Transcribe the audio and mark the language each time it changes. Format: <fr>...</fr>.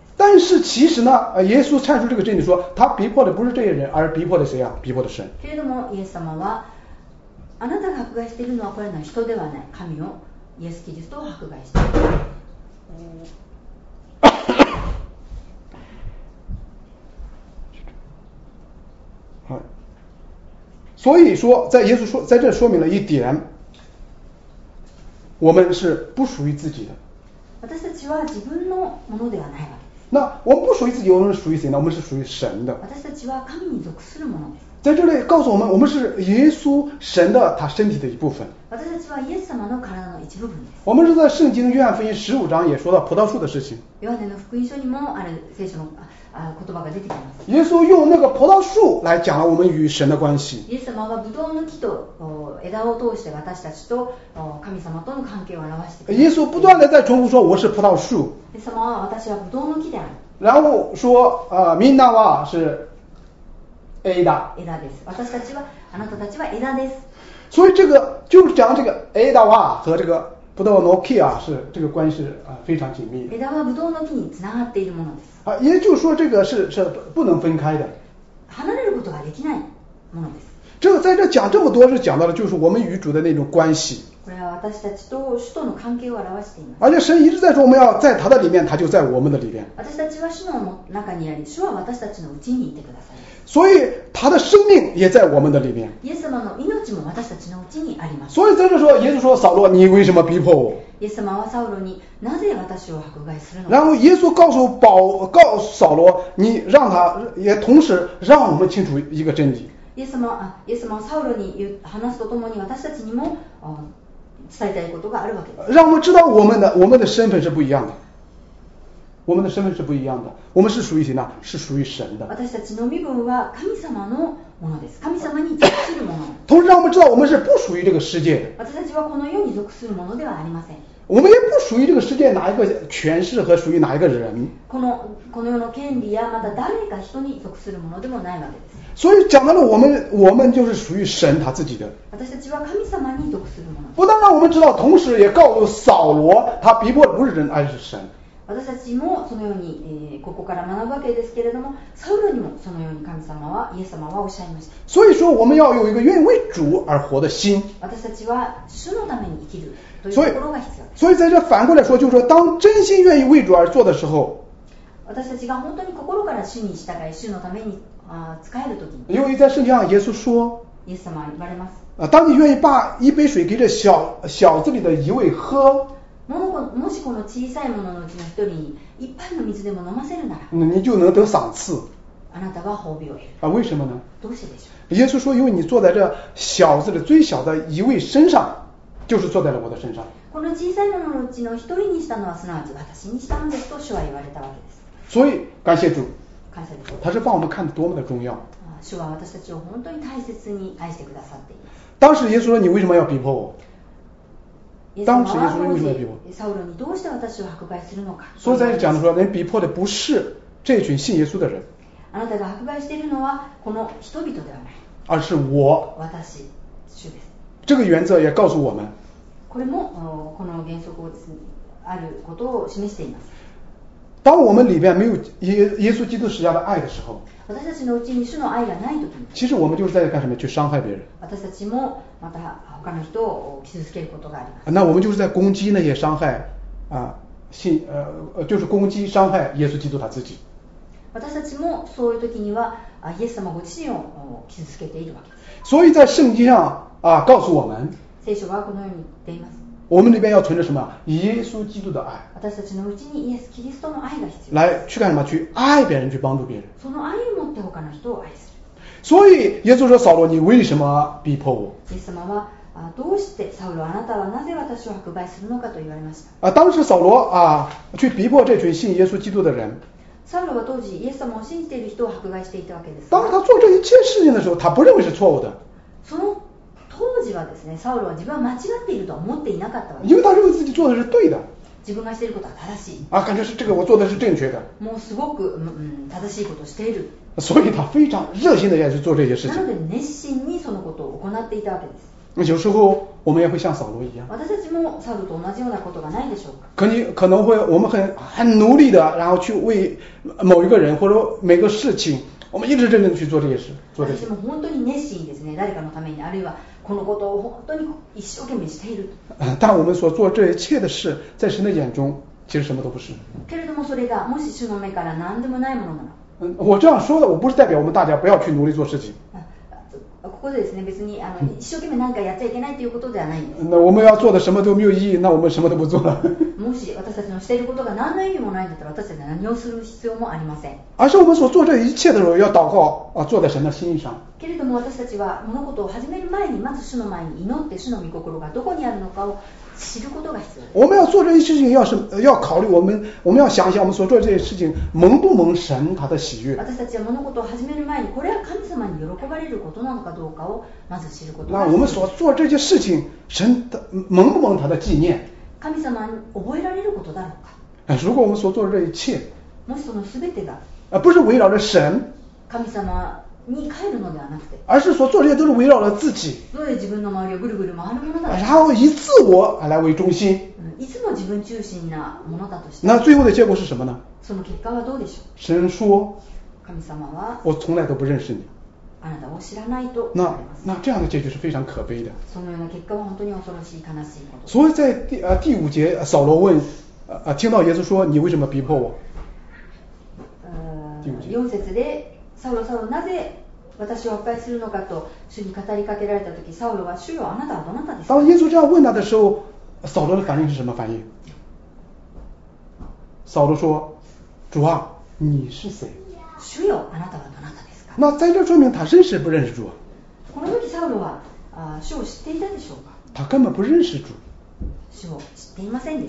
<zh>但是其实呢，耶稣阐述这个真理说，他逼迫的不是这些人，而是逼迫的谁啊？逼迫的神。</zh> <ja>けれども、イエス様は、あなたが迫害しているのはこれの人ではない、神をイエスキリストを迫害している。</ja> <zh>所以说，在耶稣说，在这说明了一点，我们是不属于自己的。</zh> <ja>私たちは自分のものではないわ。</ja> <zh>那我们不属于自己，我们是属于谁呢？我们是属于神的。</zh> <ja>私たちは神に属するものです。</ja> <zh>在这里告诉我们，我们是耶稣神的他身体的一部分。</zh> <ja>私たちはイエス様の体の一部分です。</ja> <zh>我们是在圣经约翰福音十五章也说到葡萄树的事情。</zh> <ja>ヨハネの福音書にもある聖書の言葉が出てきます。</ja> <zh>耶稣用那个葡萄树来讲了我们与神的关系。</zh> <ja>イエス様はブドウの木と枝を通して私たちと神様との関係を表して。</ja> <zh>耶稣不断的在重复说我是葡萄树。</zh> <ja>イエス様は私はブドウの木である。</ja> <zh>然后说</zh> <ja>みんなは</ja> <zh>是</zh> <ja>枝です。私たちはあなたたちは枝です。</ja> <zh>所以这个就是讲这个枝和这个葡萄</zh> <ja>の</ja> <zh>木啊，是这个关系啊非常紧密。</zh> <ja>枝はブドウの木につながっているものです。</ja> <zh>啊，也就是说这个是不能分开的。</zh> <ja>離れることができないものです。</ja> <zh>这在这讲这么多是讲到了就是我们与主的那种关系。</zh> <ja>これは私たちと主との関係を表しています。</ja> <zh>而且神一直在说我们要在他的里面，他就在我们的里面。</zh> <ja>私たちは主の中にあり、主は私たちのうちにいてください。</ja> <zh>所以他的生命也在我们的里面。</zh> <ja>耶稣様の命も私たちのうちにあります。</ja> <zh>所以在这说，耶稣说：“扫罗，你为什么逼迫我？”</zh> <ja>耶稣様はサウロになぜ私を迫害するの？</ja> <zh>然后耶稣告诉保告扫罗：“你让他也同时让我们清楚一个真理。”</zh> <ja>耶稣様はサウロに話すとともに私たちにも伝えたいことがあるわけです。</ja> <zh>让我们知道我们的身份是不一样的。我们的身份是不一样的，我们是属于谁呢？是属于神的。</zh> <ja>私たちの身分は神様のものです。神様に属するもの。</ja> <zh>同时，让我们知道我们是不属于这个世界的。</zh> <ja>私たちはこの世に属するものではありません。</ja> <zh>我们也不属于这个世界哪一个权势和属于哪一个人。</zh> <ja>この世の権利やまた誰か人に属するものでもないわけです。</ja> <zh>所以讲到了我们就是属于神他自己的。</zh> <ja>私たちは神様に属するもの。</ja> <zh>不但让我们知道，同时也告诉扫罗，他逼迫不是人，而是神。</zh> <ja>私たちもそのように、ここから学ぶわけですけれども、サウロにもそのように神様は、イエス様はおっしゃいました。</ja> <zh>所以说我们要有一个愿意为主而活的心。</zh> <ja>私たちは主のために生きるというところが必要です。</ja> <zh>所以在这反过来说，就是说当真心愿意为主而做的时候，</zh> <ja>私たちが本当に心から主に従い、主のために、使えるときに。</ja> <zh>因为在圣经上耶稣说，</zh> <ja>イエス様は言われます。</ja> <zh>当你愿意把一杯水给这小子里的一位喝。</zh> <ja>もしこの小さいもののうちの一人に一杯の水でも飲ませるなら、</ja> <zh>你就能得赏赐。</zh> <ja>あなたは褒美を得る。</ja> <zh>啊，为什么呢？</zh> <ja>どうしてでしょう？</ja> <zh>耶稣说，因为你坐在这小子的最小的一位身上，就是坐在了我的身上。</zh> <ja>この小さいもののうちの一人にしたのはすなわち私にしたのですと主は言われたわけです。</ja> <zh>所以感谢主。感谢主。他是把我们看得多么的重要。</zh> <ja>主は私たちを本当に大切に愛してくださっています。</ja> <zh>当时耶稣说，你为什么要逼迫我？当时耶稣为什么逼迫</zh> <ja>撒罗</ja> <zh>你</zh> <ja>どうして私を迫害するのか。</ja> <zh>所以在这讲的说，人逼迫的不是这群信耶稣的人。</zh> <ja>あなたが迫害しているのはこの人々ではない。</ja> <zh>而是我。</zh> <ja>私主です。</ja> <zh>这个原则也告诉我们。</zh> <ja>これもこの原則をあることを示しています。</ja> <zh>当我们里边没有耶稣基督十字架的爱的时候，</zh> <ja>私たちのうちに主の愛がないときに，</ja> <zh>其实我们就是在干什么？去伤害别人。</zh> <ja>私たちもまた他の人を傷つけることがあります。</ja> <zh>那我们就是在攻击那些伤害啊信就是攻击伤害耶稣基督他自己。</zh> <ja>私たちもそういうときにはイエス様ご自身を傷つけているわけです。</ja> <zh>所以在圣经上啊告诉我们，</zh> <ja>聖書はこのように言っています。</ja> <zh>我们里边要存着什么？耶稣基督的爱。</zh> <ja>私たちのうちにイエス・キリストの愛が必要。</ja> <zh>来去干什么？去爱别人，去帮助别人。</zh> <ja>その愛を持って他の人を愛する。</ja> <zh>所以耶稣说：“扫罗，你为什么逼迫我？”</zh> <ja>イエス様はどうしてサウロあなたはなぜ私を迫害するのかと言われました。</ja> <zh>当时扫罗啊去逼迫这群信耶稣基督的人。</zh> <ja>サウロは当時イエス様を信じている人を迫害していたわけです。</ja> <zh>当他做这一切事情的时候，他不认为是错误的。</zh> <ja>その当時はですね、サウロは自分は間違っていると思っていなかったわけです。</ja> <zh>因为他认为自己做的是对的。</zh> <ja>自分がしていることは正しい。</ja> <zh>啊，感觉是这个我做的是正确的。</zh> <ja>もうすごく正しいことをしている。</ja> <zh>所以他非常热心的要去做这些事情。</zh> <ja>なので熱心にそのことを行っていたわけです。</ja> <zh>有时候我们也会像扫罗一样。</zh> <ja>私たちもサウロと同じようなことがないでしょうか。</ja> <zh>可能会我们很努力的，然后去为某一个人或者每个事情。我们一直认真去做这些事，做这些。</zh> <ja>私も本当に熱心ですね。誰かのために、あるいはこのことを本当に一生懸命している。</ja> <zh>但我们所做这一切的事，在神的眼中其实什么都不是。</zh> <ja>けれどもそれがもし主の目から何でもないものなら。</ja> <zh>我这样说的，我不是代表我们大家不要去努力做事情。</zh> <ja>ここでですね、別に一生懸命何かやっちゃいけないということではないんです。</ja> <zh>那我们要做的什么都没有意义，那我们什么都不做了。</zh> <ja>もし私たちのしていることが何の意味もないんだったら、私たちは何をする必要もありません。</ja> <zh>而是我们所做这一切的时候，要祷告啊，坐在神的心意上。</zh> <ja>けれども私たちは物事を始める前に、まず主の前に祈って主の御心がどこにあるのかを知ることが必要。</ja> <zh>我们要做这些事情，要考虑我们要想想我们所做这些事情蒙不蒙神他的喜悦。</zh> <ja>私たちは物事を始める前に、これは神様に喜ばれることなのかどうかをまず知ることが必要。</ja> <zh>那我们所做这些事情，神蒙不蒙他的纪念？</zh> <ja>神様に覚えられることだろうか？</ja> <zh>如果我们所做的这一切，</zh> <ja>もしその全てが、</ja> <zh>不是围绕着神，</zh> <ja>神様に帰るのではなくて、</ja> <zh>而是说做这些都是围绕了自己，都是</zh> <ja>自分の周りをぐるぐる回るものだ。</ja> <zh>然后以自我来为中心，</zh> <ja>いつも自分中心なものだとして、</ja> <zh>那最后的结果是什么呢？</zh> <ja>その結果はどうでしょう？</ja> <zh>神说，</zh> <ja>神様は，</ja> <zh>我从来都不认识你，</zh> <ja>あなたを知らないと。</ja> <zh>那这样的结局是非常可悲的。</zh> <ja>そのような結果は本当に恐ろしい悲しいこと。</ja> <zh>所以在第五节，扫罗问，听到耶稣说你为什么逼迫我？</zh> <ja>4節でサウロサウロなぜ私を迫害するのかと主に語りかけられた時、サウロは主よあなたはどなたですか。</ja> <zh>当耶稣这样问他的时候，扫罗的反应是什么反应？扫罗说：主啊，你是谁？</zh> <ja>主よあなたはどなたですか。</ja> <zh>那在这说明他真实不认识主。</zh> <ja>この時サウロは主を知っていたでしょうか。</ja> <zh>他根本不认识主。</zh> <ja>主を知っていませんで</ja>